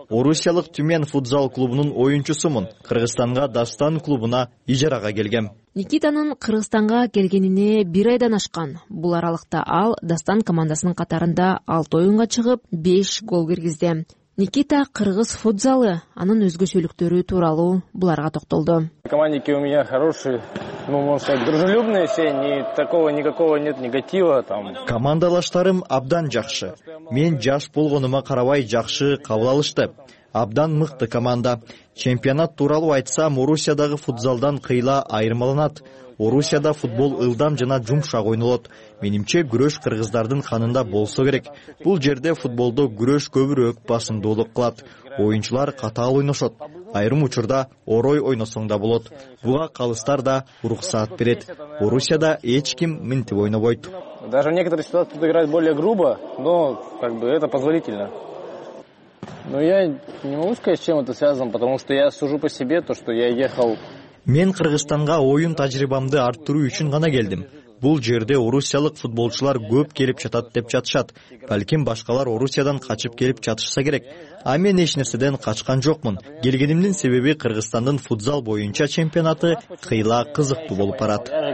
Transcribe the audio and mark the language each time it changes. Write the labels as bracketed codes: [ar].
[ky] Орусиялык Тюмен футзал клубунун оюнчусумун. Кыргызстанга Дастан клубуна ижарага келгем. Никитанын Кыргызстанга келгенине бир айдан ашкан. Бул аралыкта ал Дастан командасынын катарында 6 оюнга чыгып 5 гол киргизди. Никита кыргыз футзалы, анын өзгөчөлүктөрү тууралуу буларга токтолду. [ru] Командники у меня хорошие, ну, можно сказать, дружелюбные все, ни такого никакого нет негатива там. [ky] Командалаштарым абдан жакшы. Мен жаш болгонума карабай жакшы кабыл алышты. Абдан мыкты команда. Чемпионат тууралуу айтсам, Орусиядагы футзалдан кыйла айырмаланат. Орусияда футбол ылдам жана жумшак ойнолот. Менимче, күрөш кыргыздардын канында болсо керек. Бул жерде футболдо күрөш көбүрөөк басымдуулук кылат. Оюнчулар катаал ойношот. Айрым учурда орой ойносоң да болот. Буга калыстар да уруксаат берет. Орусияда эч ким минтип ойнобойт. [ru] Даже в некоторых ситуациях играют более грубо, но как бы это позволительно. Ну я не могу сказать, с чем это связано, потому что я сужу по себе то, что я ехал. [ky] Мен Кыргызстанга оюн тажрыйбамды арттыруу үчүн гана келдим. бул жерде орусиялык футболчулар көп келип жатат деп жатышат. Балким башкалар Орусиядан качып келип жатышса керек. А мен эч нерседен качкан жокмун. Келгенимдин себеби Кыргызстандын футзал боюнча чемпионаты кыйла кызыктуу болуп барат.